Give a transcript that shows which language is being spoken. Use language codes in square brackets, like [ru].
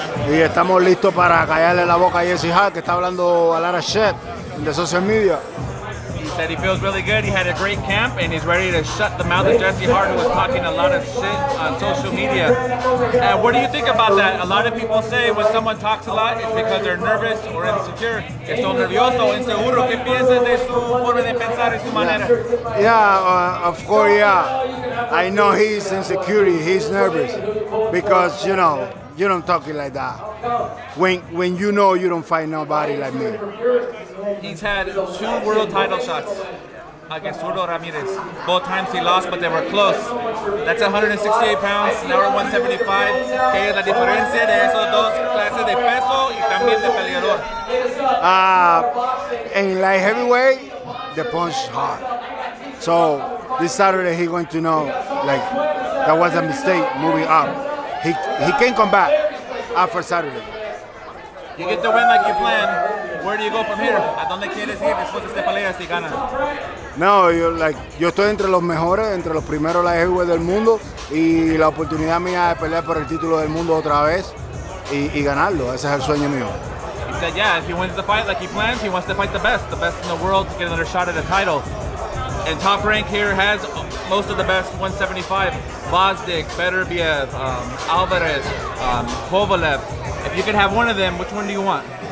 [es] Y estamos listos para callarle la boca a Jesse Hart, que está hablando [en] a lot of shit [es] de [en] social media. He said he feels really good, he had a great camp, and he's ready to shut the mouth of Jesse Hart, who was talking a lot of shit on social media. And what do you think about that? A lot of people say when someone talks a lot, it's because they're nervous or insecure. [es] Que son nervioso, inseguro. ¿Qué piensas de su forma de pensar y su manera? [en] Yeah, of course. I know he's insecure, he's nervous, because, you know, you don't talk like that. When you know you don't fight nobody like me. He's had two world title shots against Zurdo Ramirez. Both times he lost, but they were close. That's 168 pounds, now we're 175. [es] ¿Qué es la diferencia de esos dos clases de peso y también de peleador? [en] In light heavyweight, the punch hard. So this Saturday he's going to know, like, that was a mistake moving up. He can come back after Saturday. You get the win like you planned. Where do you go from here? [es] ¿A dónde quieres ir después de esta pelea si ganas? No, yo estoy entre los mejores, entre los primeros la heavyweight del mundo, y la oportunidad mía es pelear por el título del mundo otra vez y ganarlo. Ese es el sueño mío. [en] He said, yeah, if he wins the fight like he plans, he wants to fight the best in the world, to get another shot at a title. And Top Rank here has most of the best 175. Vozdik, Beterbiev, Alvarez, Kovalev. If you could have one of them, which one do you want?